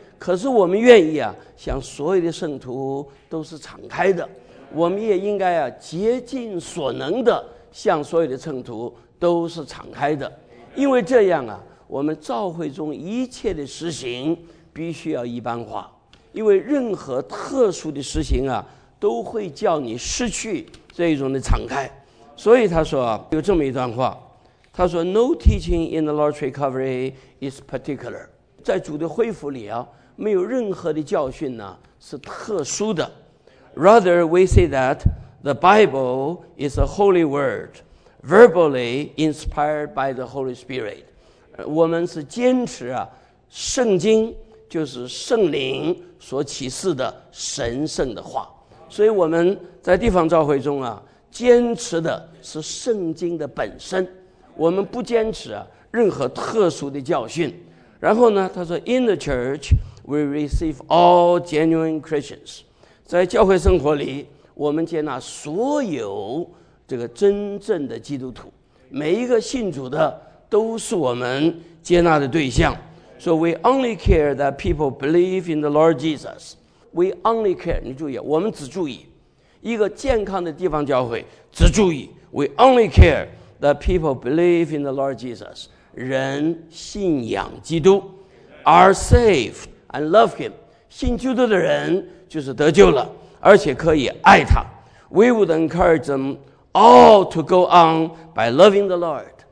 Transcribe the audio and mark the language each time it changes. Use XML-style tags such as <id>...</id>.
<zh>可是我们愿意啊，向所有的圣徒都是敞开的，我们也应该啊竭尽所能的向所有的圣徒都是敞开的，因为这样啊，我们召会中一切的实行必须要一般化，因为任何特殊的实行啊，都会叫你失去这一种的敞开。所以他说啊，有这么一段话，他说 ：</zh> <en>“No teaching in the Lord's recovery is particular。”</en> <zh>在主的恢复里啊，没有任何的教训呢是特殊的。</zh> <en>Rather, we say that the Bible is a holy word, verbally inspired by the Holy Spirit.</en> <zh>我们是坚持啊，圣经就是圣灵所启示的神圣的话。所以我们在地方召会中啊，坚持的是圣经的本身。我们不坚持啊任何特殊的教训。然后呢，他说</zh> <en>，In the church。We receive all genuine Christians.</en> <zh>在教会生活里，我们接纳所有这个真正的基督徒，每一个信主的都是我们接纳的对象。</zh> <en>So we only care that people believe in the Lord Jesus. We only care,</en> <zh>你注意，我们只注意</zh> <en>一个健康的地方教会，只注意 We only care that people believe in the Lord Jesus.</en> <zh>人信仰基督</zh> <en>are saved and love him.</en> <zh>信基督的人就是得救了，而且可以爱他。</zh> <en>We would encourage them all to go on by loving the Lord.</en>